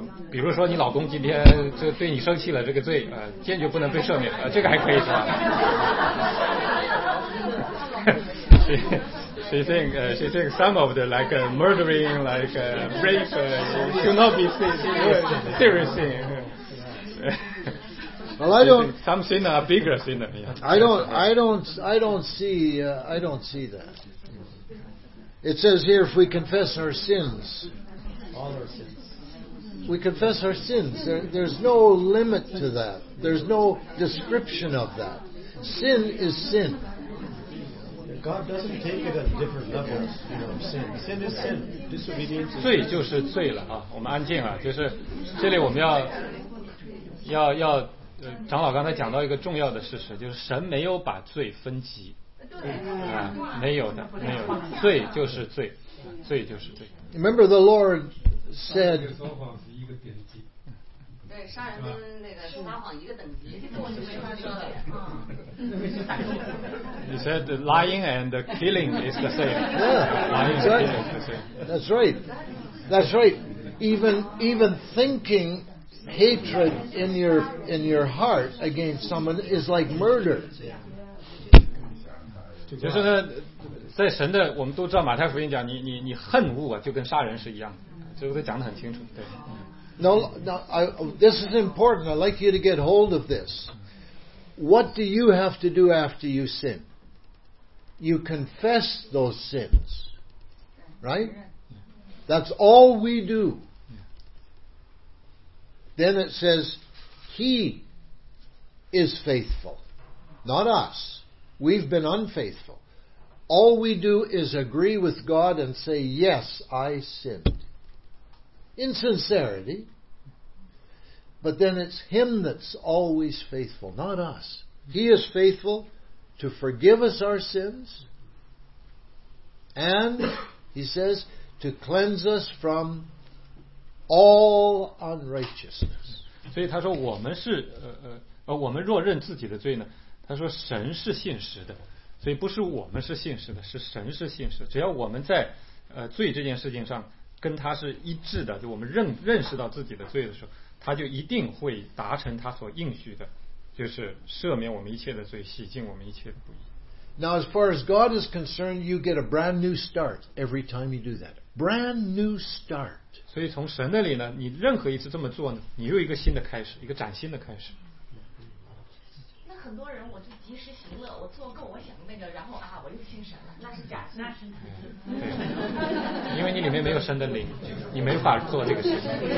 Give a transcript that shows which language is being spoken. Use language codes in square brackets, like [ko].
[zh] 比如说你老公今天就对你生气了，这个罪坚决不能被赦免，这个还可以是吧？ [en] She thinks some of the like murdering, like rape, should not be serious thing. Well, I don't. Some sin are bigger sin. Yeah. I don't see. I don't see that. It says here, if we confess our sins, all our sins. We confess our sins. There's no limit to that. There's no description of that. Sin is sin. God doesn't take it at different levels, you know, sin. Sin is sin. Disobedience. [zh] 罪就是罪了啊！我们安静啊！就是这里我们要长老刚才讲到一个重要的事实，就是神没有把罪分级。对。啊，没有的，没有的，罪就是罪，罪就是罪。 [en] Remember the Lord said. [zh] 撒谎是一个等级。对，杀人跟那个撒谎一个等级，这我就没法说了。 [en] He said lying and killing is the same. That's right. Even thinking hatred in your heart against someone is like murder. [zh] 就是呢，在神的，我们都知道马太福音讲，你恨恶啊，就跟杀人是一样的，这个都讲得很清楚。对。 [en] No, this is important. I'd like you to get hold of this. What do you have to do after you sin? You confess those sins, right? That's all we do. Then it says, He is faithful, not us. We've been unfaithful. All we do is agree with God and say, Yes, I sinned. In sincerity. But then it's Him that's always faithful, not us. He is faithful to forgive us our sins. And, He says, to cleanse us from all unrighteousness. [zh] 所以他说我们是我们若认自己的罪呢，他说神是信实的，所以不是我们是信实的，是神是信实的。只要我们在罪这件事情上跟他是一致的，就我们认识到自己的罪的时候，他就一定会达成他所应许的，就是赦免我们一切的罪，洗净我们一切的不义。 [en] Now as far as God is concerned, you get a brand new start every time you do that. Brand new start. [zh] 所以从神那里呢，你任何一次这么做呢，你又一个新的开始，一个崭新的开始。很多人我就及时行乐，我做跟我想的那个，然后啊我又信神了，那是假的，那是假的。因为你里面没有神的灵，你没法做这个事情。